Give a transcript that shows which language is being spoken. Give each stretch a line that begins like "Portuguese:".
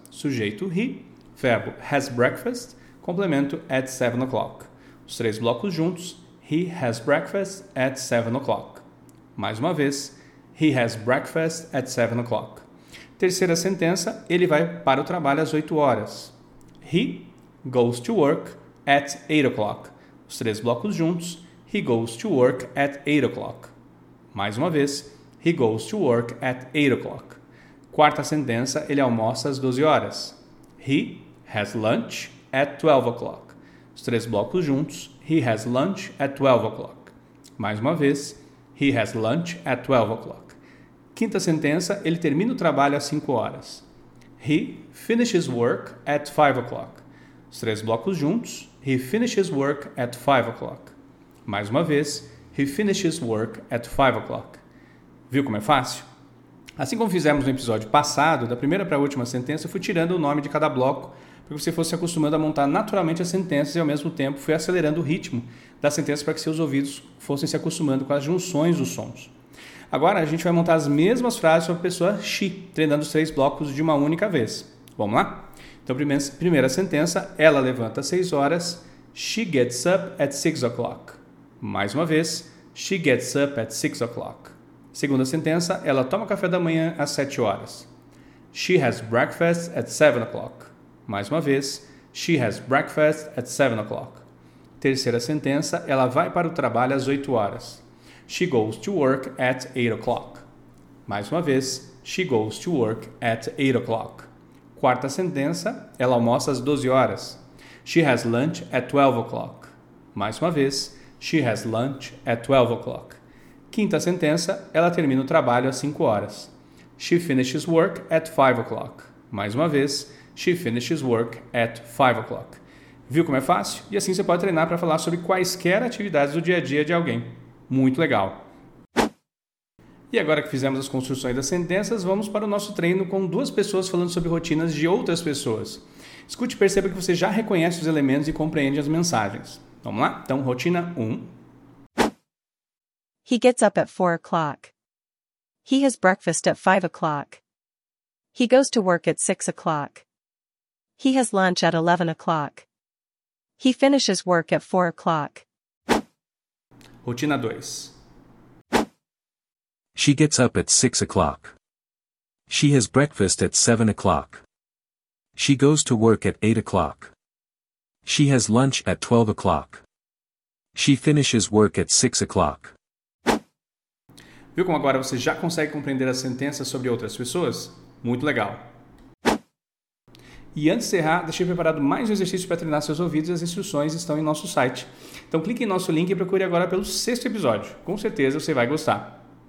Portuguese: Sujeito,
English: he.
Portuguese: Verbo,
English: has breakfast.
Portuguese: Complemento,
English: at 7 o'clock.
Portuguese: Os três blocos juntos,
English: he has breakfast at 7 o'clock.
Portuguese: Mais uma vez,
English: he has breakfast at 7 o'clock.
Portuguese: Terceira sentença, ele vai para o trabalho às 8 horas.
English: He goes to work at 8 o'clock.
Portuguese: Os três blocos juntos,
English: he goes to work at 8 o'clock.
Portuguese: Mais uma vez,
English: he goes to work at 8 o'clock.
Portuguese: Quarta sentença, ele almoça às 12 horas.
English: He has lunch at 12 o'clock.
Portuguese: Os três blocos juntos,
English: he has lunch at 12 o'clock.
Portuguese: Mais uma vez,
English: he has lunch at 12 o'clock.
Portuguese: Quinta sentença, ele termina o trabalho às 5 horas.
English: He finishes work at 5 o'clock.
Portuguese: Os três blocos juntos,
English: he finishes work at 5 o'clock.
Portuguese: Mais uma vez,
English: he finishes work at 5 o'clock.
Portuguese: Viu como é fácil? Assim como fizemos no episódio passado, da primeira para a última sentença, eu fui tirando o nome de cada bloco para que você fosse acostumando a montar naturalmente as sentenças e, ao mesmo tempo, fui acelerando o ritmo da sentença para que seus ouvidos fossem se acostumando com as junções dos sons. Agora, a gente vai montar as mesmas frases para a pessoa she, treinando os três blocos de uma única vez. Vamos lá? Então, primeira sentença, ela levanta às 6 horas.
English: She gets up at 6 o'clock.
Portuguese: Mais uma vez,
English: she gets up at 6 o'clock.
Portuguese: Segunda sentença, ela toma café da manhã às 7 horas.
English: She has breakfast at 7 o'clock.
Portuguese: Mais uma vez,
English: she has breakfast at 7 o'clock.
Portuguese: Terceira sentença, ela vai para o trabalho às 8 horas.
English: She goes to work at 8 o'clock.
Portuguese: Mais uma vez,
English: she goes to work at 8 o'clock.
Portuguese: Quarta sentença, ela almoça às 12 horas.
English: She has lunch at 12 o'clock.
Portuguese: Mais uma vez,
English: she has lunch at 12 o'clock.
Portuguese: Quinta sentença, ela termina o trabalho às 5 horas.
English: She finishes work at 5 o'clock.
Portuguese: Mais uma vez,
English: she finishes work at 5 o'clock.
Portuguese: Viu como é fácil? E assim você pode treinar para falar sobre quaisquer atividades do dia a dia de alguém. Muito legal. E agora que fizemos as construções das sentenças, vamos para o nosso treino com duas pessoas falando sobre rotinas de outras pessoas. Escute e perceba que você já reconhece os elementos e compreende as mensagens. Vamos lá? Então, rotina 1.
English: He gets up at 4 o'clock. He has breakfast at 5 o'clock. He goes to work at 6 o'clock. He has lunch at 11 o'clock. He finishes work at 4 o'clock.
Portuguese: Rotina 2.
English: She gets up at 6 o'clock. She has breakfast at 7 o'clock. She goes to work at 8 o'clock. She has lunch at 12 o'clock. She finishes work at 6 o'clock.
Portuguese: Viu como agora você já consegue compreender as sentenças sobre outras pessoas? Muito legal! E antes de encerrar, deixei preparado mais um exercício para treinar seus ouvidos e as instruções estão em nosso site. Então clique em nosso link e procure agora pelo 6º episódio. Com certeza você vai gostar.